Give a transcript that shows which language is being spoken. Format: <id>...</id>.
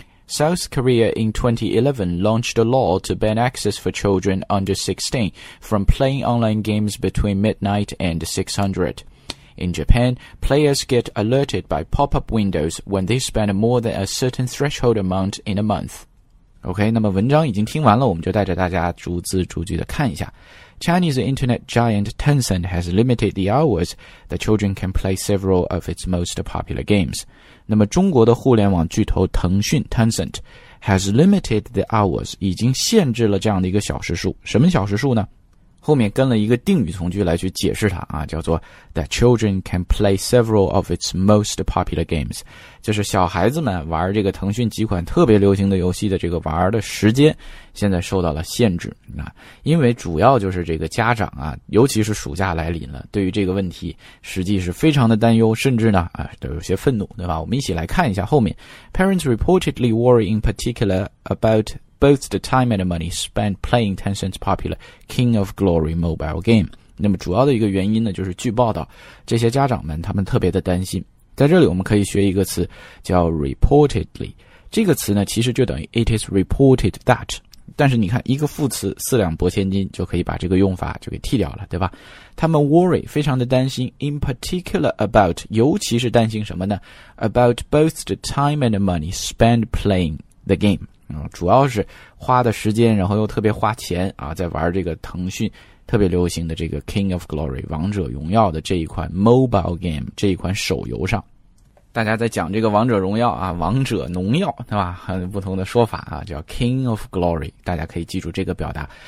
<en>South Korea in 2011 launched a law to ban access for children under 16 from playing online games between midnight and 600. In Japan, players get alerted by pop-up windows when they spend more than a certain threshold amount in a month.</en> <zh>OK, 那么文章已经听完了，我们就带着大家逐字逐句的看一下。</zh> <en>Chinese internet giant Tencent has limited the hours that children can play several of its most popular games.</en> <zh>那么中国的互联网巨头腾讯</zh> <en>Tencent has limited the hours</en> <zh>已经限制了这样的一个小时数。什么小时数呢？后面跟了一个定语从句来去解释它啊，叫做</zh> <en>that children can play several of its most popular games，</en> <zh>就是小孩子们玩这个腾讯几款特别流行的游戏的这个玩的时间现在受到了限制啊，因为主要就是这个家长啊，尤其是暑假来临了，对于这个问题实际是非常的担忧，甚至呢啊都有些愤怒，对吧？我们一起来看一下后面</zh> <en>，Parents reportedly worry in particular aboutboth the time and the money spent playing Tencent's popular King of Glory mobile game.</en> <zh>那么主要的一个原因呢，就是据报道，这些家长们他们特别的担心。在这里我们可以学一个词叫 reportedly。这个词呢其实就等于</zh> <en>it is reported that。</en> <zh>但是你看一个副词四两拨千斤就可以把这个用法就给剃掉了，对吧？</zh> <en>他们 worry,</en> <zh>非常的担心</zh> <en>in particular about,</en> <zh>尤其是担心什么呢</zh> <en>?about both the time and the money spent playing the game.</en> <zh>主要是花的时间然后又特别花钱啊，在玩这个腾讯特别流行的这个 King of Glory 王者荣耀的这一款 mobile game 这一款手游上。大家在讲这个王者荣耀啊，王者农药对吧，很不同的说法啊，叫 King of Glory， 大家可以记住这个表达。</zh>